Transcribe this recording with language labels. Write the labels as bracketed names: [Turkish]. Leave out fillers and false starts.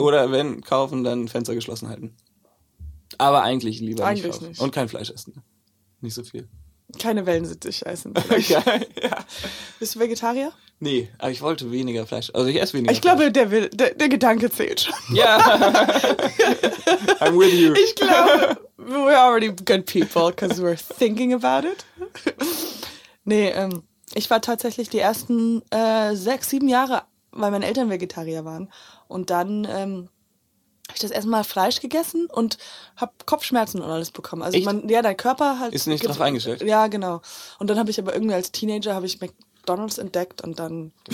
[German] Oder wenn kaufen, dann Fenster geschlossen halten. Aber eigentlich lieber eigentlich nicht kaufen. Und kein Fleisch essen. Nicht so viel. Keine Wellensittich essen. Ja. Bist du Vegetarier? Nee, aber ich wollte weniger Fleisch. Also ich esse weniger Ich glaube, der will, der Gedanke zählt schon. [English] Ja. Yeah. I'm with you. [German] Ich glaube, [English] we're already good people, because we're thinking about it. [German] Nee, ich war tatsächlich die ersten 6, 7 Jahre, weil meine Eltern Vegetarier waren. Und dann habe ich das erste Mal Fleisch gegessen und habe Kopfschmerzen und alles bekommen. Also dein Körper halt... Ist nicht drauf eingestellt. Ja, genau. Und dann habe ich aber irgendwie als Teenager, habe ich McDonald's entdeckt und dann...